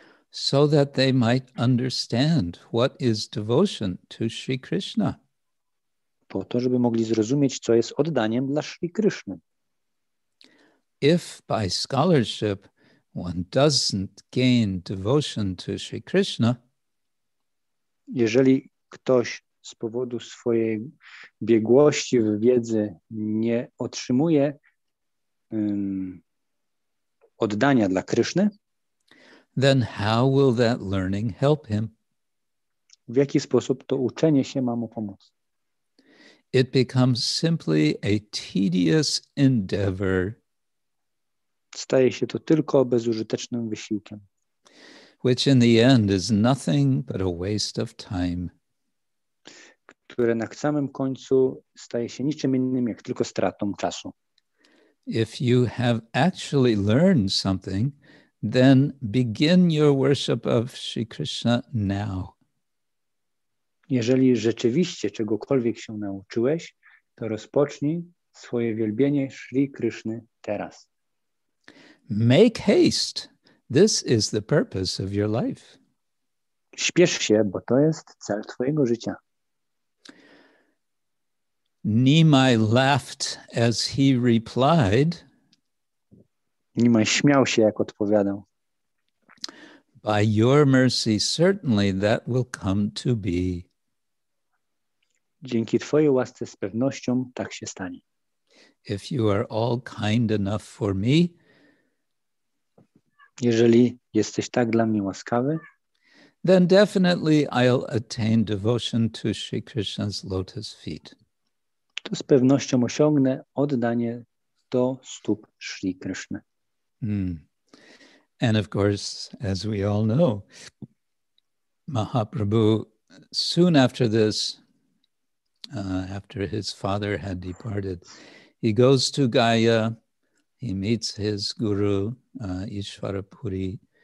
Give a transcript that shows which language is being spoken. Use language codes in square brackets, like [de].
[en] So that they might understand what is devotion to Sri Krishna. [pl] Po to, żeby mogli zrozumieć, co jest oddaniem dla Sri Krishny. [en] If by scholarship one doesn't gain devotion to Sri Krishna, [pl] jeżeli ktoś z powodu swojej biegłości w wiedzy nie otrzymuje oddania dla Kryszny, [en] then how will that learning help him? [pl] W jaki sposób to uczenie się ma mu pomóc? [en] It becomes simply a tedious endeavor. [pl] Staje się to tylko bezużytecznym wysiłkiem, [en] which in the end is nothing but a waste of time. [pl] Które na samym końcu staje się niczym innym, jak tylko stratą czasu. [en] If you have actually learned something, then begin your worship of Sri Krishna now. [pl] Jeżeli rzeczywiście czegokolwiek się nauczyłeś, to rozpocznij swoje wielbienie Sri Krishny teraz. [en] Make haste. This is the purpose of your life. [pl] Śpiesz się, bo to jest cel twojego życia. [en] Nimai laughed as he replied. [pl] Nimai śmiał się, jak odpowiadał. [en] By your mercy, certainly that will come to be. [pl] Dzięki twojej łasce z pewnością tak się stanie. [en] If you are all kind enough for me, [pl] jeżeli jesteś tak dla mnie łaskawy, [en] then definitely I'll attain devotion to Sri Krishna's lotus feet. [pl] To z pewnością osiągnę oddanie do stóp Sri Krishna. [en] And of course, as we all know, Mahaprabhu, soon after this, after his father had departed, he goes to Gaya. He meets his guru, Ishwarapuri.